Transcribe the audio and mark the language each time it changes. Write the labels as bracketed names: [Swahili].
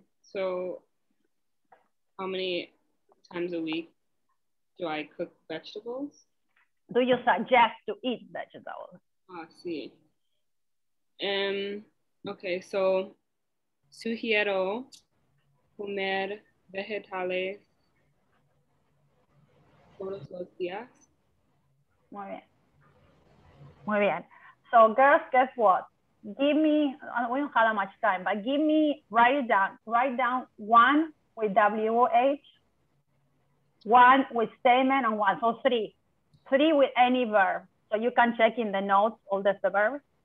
[English] So how many times a week do I cook vegetables? Do you suggest to eat vegetables? [Spanish] Ah, sí. [English] Okay, so [Spanish] sugiero comer vegetales todos los días. Muy bien. Muy bien. [English] So girls, guess what? We don't have that much time, but write down one with WH, one with statement, and one. So three. Three with any verb. So you can check in the notes all the verbs.